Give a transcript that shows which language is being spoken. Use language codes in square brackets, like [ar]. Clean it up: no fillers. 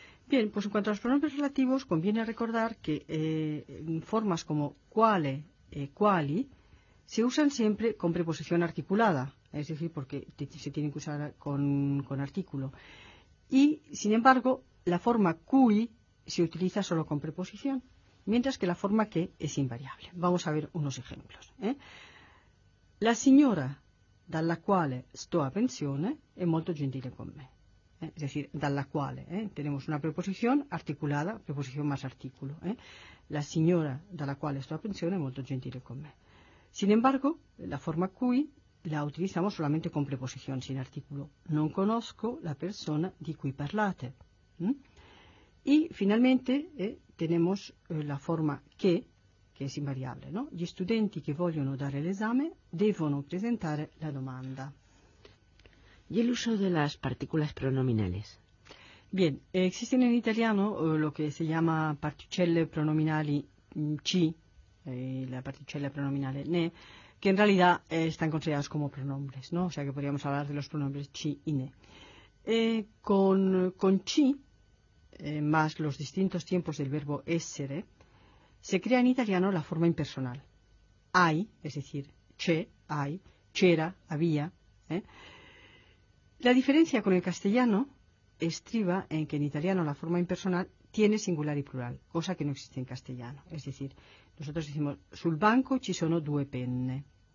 [es] Bien, pues en cuanto a los pronombres relativos, conviene recordar que formas como quale, quali, se usan siempre con preposición articulada, es decir, porque se tienen que usar con artículo. Y, sin embargo, la forma cui se utiliza solo con preposición, mientras que la forma que es invariable. Vamos a ver unos ejemplos. [it] La signora dalla quale sto a pensione è molto gentile con me. [es] Es decir, [it] dalla quale. [es] Tenemos una preposición articulada, preposición más artículo. [it] La signora dalla quale sto a pensione è molto gentile con me. [es] Sin embargo, la forma cui la utilizamos solamente con preposición, sin artículo. [it] Non conosco la persona di cui parlate. [es] Y finalmente tenemos la forma che es invariable, ¿no? [it] Gli studenti che vogliono dare l'esame devono presentare la domanda. [es] ¿Y el uso de las partículas pronominales? Bien, existen en italiano lo que se llama particelle pronominali ci, la particella pronominale ne, que en realidad están considerados como pronombres, ¿no? O sea que podríamos hablar de los pronombres ci y ne. Con ci, más los distintos tiempos del verbo essere, se crea en italiano la forma impersonal. Hai, es decir, [it] c'è, [es] hai, [it] c'era, [es] había. La diferencia con el castellano estriba en que en italiano la forma impersonal tiene singular y plural, cosa que no existe en castellano. Es decir, nosotros decimos, [it] sul banco ci sono due penne.